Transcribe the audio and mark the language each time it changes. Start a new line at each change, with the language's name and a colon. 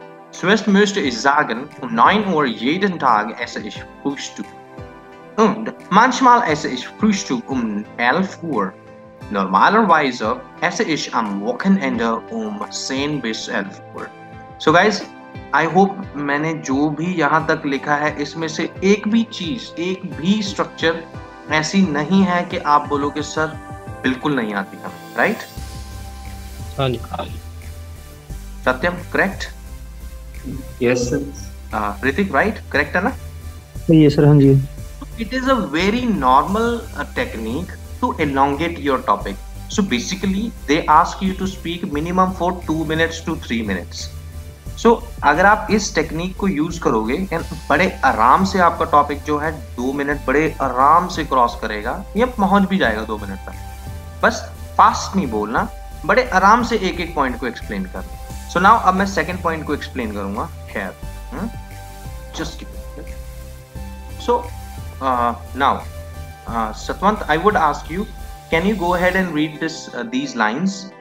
German: Zuerst müsste ich sagen, um 9 Uhr jeden Tag esse ich Frühstück. Und manchmal esse ich Frühstück um 11 Uhr. Normalerweise esse ich am Wochenende um 10 bis 11 Uhr.
English: So guys, I hope
Hindi: मैंने जो भी यहाँ तक लिखा है इसमें से एक भी चीज, एक भी स्ट्रक्चर ऐसी नहीं है कि आप बोलोगे सर बिल्कुल नहीं आती हमें, राइट? हाँ जी. सत्यम,
English: Correct? Yes, sir. Ritik, right? Correct, na? Yes, sir. Hanji. It is a very normal technique to elongate your topic. So basically, they ask you to speak minimum for 2 minutes to 3 minutes.
Hindi: So, अगर आप इस technique को use करोगे, बड़े आराम से आपका topic जो है 2 मिनट बड़े आराम से क्रॉस करेगा या पहुंच भी जाएगा 2 मिनट तक. बस फास्ट नहीं बोलना, बड़े आराम से एक एक पॉइंट को एक्सप्लेन करना.
English: so now
Hindi: अब मैं सेकंड पॉइंट को एक्सप्लेन करूंगा.
English: खैर जस्ट की so now Satwant I would ask you can you go ahead and read this these lines.